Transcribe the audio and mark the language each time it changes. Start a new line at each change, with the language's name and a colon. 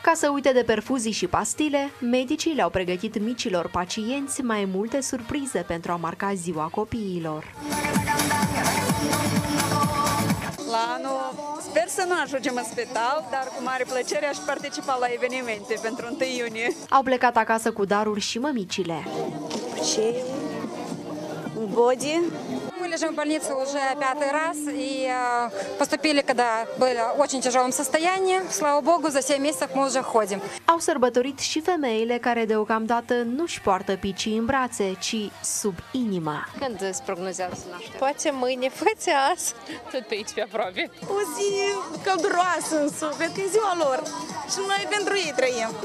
Romanian: Ca să uite de perfuzii și pastile, medicii le-au pregătit micilor pacienți mai multe surprize pentru a marca ziua copiilor. La anul sper să nu ajungem în spital, dar cu mare plăcere aș participa la evenimente pentru 1 iunie. Au plecat acasă cu daruri și mămicile. Ce? Body.
Russian: Мы лежим в больнице уже пятый раз и поступили, когда были в очень тяжелом состоянии. Слава Богу, за 7 месяцев мы уже ходим.
Romanian: Au sărbătorit și femeile care deocamdată nu-și poartă picii în brațe, ci sub inima. Când îți prognozează naștere? Poate mâine, poate azi. Tot pe aici, pe aproape. O zi călduroasă în suflet, e ziua lor și noi pentru ei trăim.